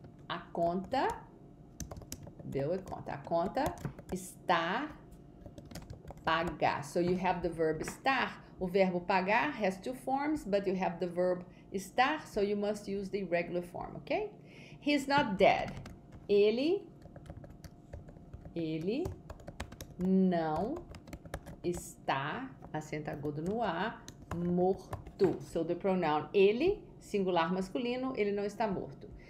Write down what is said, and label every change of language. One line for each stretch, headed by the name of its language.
Portuguese: A conta, bill é conta, a conta está paga.
English: So you have the verb estar,
Portuguese: o verbo pagar
English: has two forms, but you have the verb estar, so you must use the regular form, okay? He's not dead.
Portuguese: Ele não está, acento agudo no A, morto.
English: So the pronoun ele, singular masculino,
Portuguese: ele não está morto.